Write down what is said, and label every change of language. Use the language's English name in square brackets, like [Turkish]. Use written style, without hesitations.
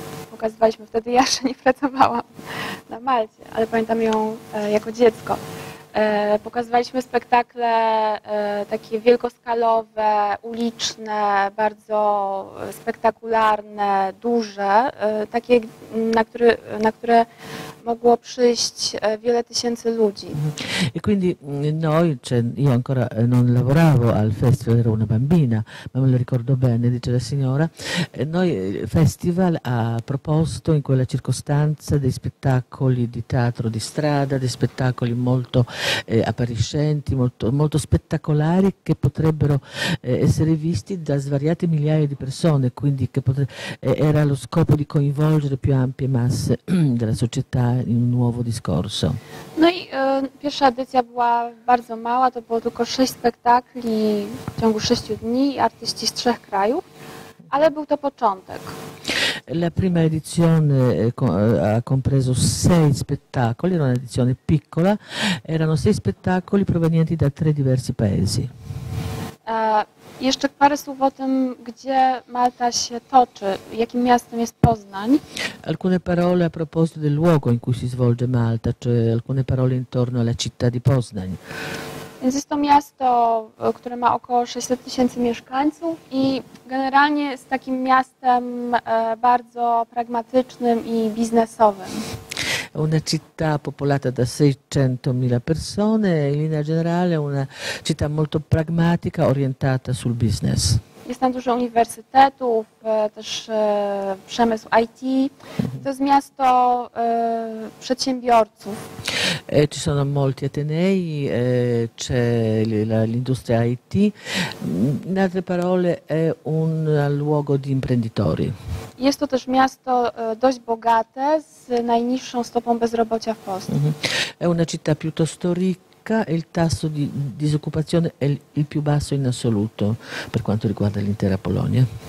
[Polish] Pokazywaliśmy wtedy, ja jeszcze nie pracowałam na Malcie, ale pamiętam ją jako dziecko. Pokazywaliśmy spektakle takie wielkoskalowe, uliczne, bardzo spektakularne, duże, takie, na które mogło przyjść wiele tysięcy ludzi. [Italian] E quindi noi, cioè, io ancora non lavoravo al festival, ero una bambina, ma me lo ricordo bene, dice la signora, noi il festival ha proposto in quella circostanza dei spettacoli di teatro di strada, dei spettacoli molto appariscenti, molto, molto spettacolari, che potrebbero essere visti da svariate migliaia di persone, quindi che era lo scopo di coinvolgere più ampie masse della società in un nuovo discorso. [Polish] No i pierwsza edycja była bardzo mała, to było tylko 6 spektakli w ciągu 6 dni, artyści z 3 krajów, ale był to początek. [Italian] La prima edizione ha compreso 6 spettacoli, era un'edizione piccola, erano 6 spettacoli provenienti da 3 diversi paesi. [Polish] Jeszcze parę słów o tym, gdzie Malta się toczy, jakim miastem jest Poznań. [Italian] Alcune parole a proposito del luogo in cui si svolge Malta, cioè alcune parole intorno alla città di Poznań. [Polish] Więc jest to miasto, które ma około 600 tysięcy mieszkańców i generalnie jest takim miastem bardzo pragmatycznym i biznesowym. [Italian] Una città popolata da 600.000 persone e in linea generale è una città molto pragmatica, orientata sul business. [Polish] Jest tam dużo uniwersytetów, też przemysł IT. To jest miasto przedsiębiorców. [Italian] Ci sono molti atenei, c'è l'industria IT. In altre parole, è un luogo di imprenditori. [Polish] Jest to też miasto dość bogate, z najniższą stopą bezrobocia w Polsce. [Italian] È una città piuttosto ricca. Il tasso di disoccupazione è il più basso in assoluto per quanto riguarda l'intera Polonia.